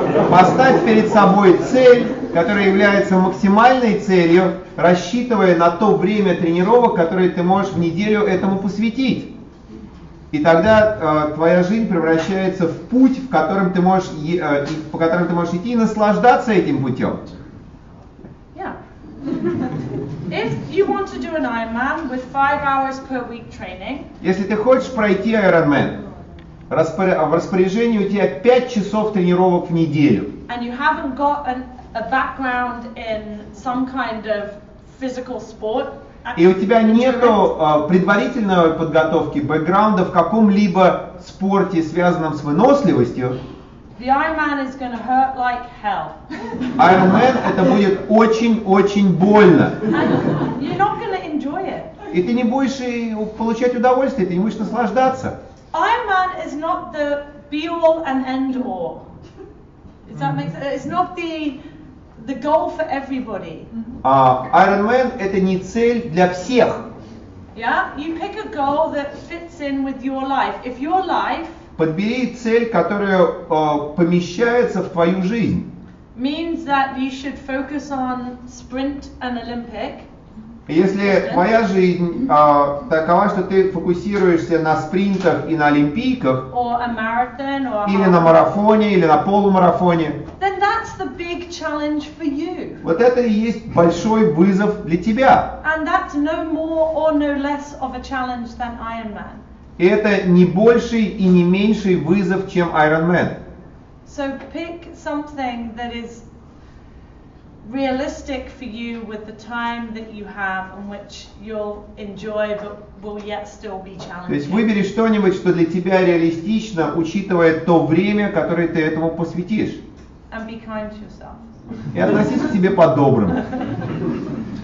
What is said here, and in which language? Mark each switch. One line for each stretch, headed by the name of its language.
Russian: Поставь перед собой цель, которая является максимальной целью, рассчитывая на то время тренировок, которое ты можешь в неделю этому посвятить. И тогда твоя жизнь превращается в путь, в котором ты можешь по которому ты можешь идти и наслаждаться этим путем.
English: Yeah. If you want to do an Ironman with 5 hours per week training.
Russian: Если ты хочешь пройти Ironman, в распоряжении у тебя 5 часов тренировок в неделю.
English: And you haven't got a background in some kind of physical sport.
Russian: И у тебя нет предварительной подготовки, бэкграунда в каком-либо спорте, связанном с выносливостью.
English: The Ironman is gonna hurt like hell.
Russian: Ironman это будет очень-очень больно.
English: And you're not gonna enjoy it.
Russian: И ты не будешь получать удовольствие, ты не будешь наслаждаться.
English: Ironman is not the be-all and end-all. Does that make sense? It's not the goal for everybody.
Russian: Iron Man это не цель для всех.
English: Yeah, you pick a goal that fits in with your life. If your life
Russian: подбери цель, которая помещается в твою жизнь.
English: Means that you should focus on sprint and Olympic.
Russian: Если твоя жизнь такова, что ты фокусируешься на спринтах и на олимпийках,
English: or a marathon, or a
Russian: или на марафоне, или на полумарафоне,
English: then that's the big challenge for you.
Russian: Вот это и есть большой вызов для тебя.
English: And that's no more or no less of a challenge than Ironman.
Russian: И это не больший и не меньший вызов, чем Ironman.
English: So pick something that is realistic for you with the time that you have and which you'll enjoy but will yet still be challenging.
Russian: То есть выбери что-нибудь, что для тебя реалистично, учитывая то время, которое ты этому посвятишь.
English: And be kind to yourself.
Russian: И относись к себе по-доброму.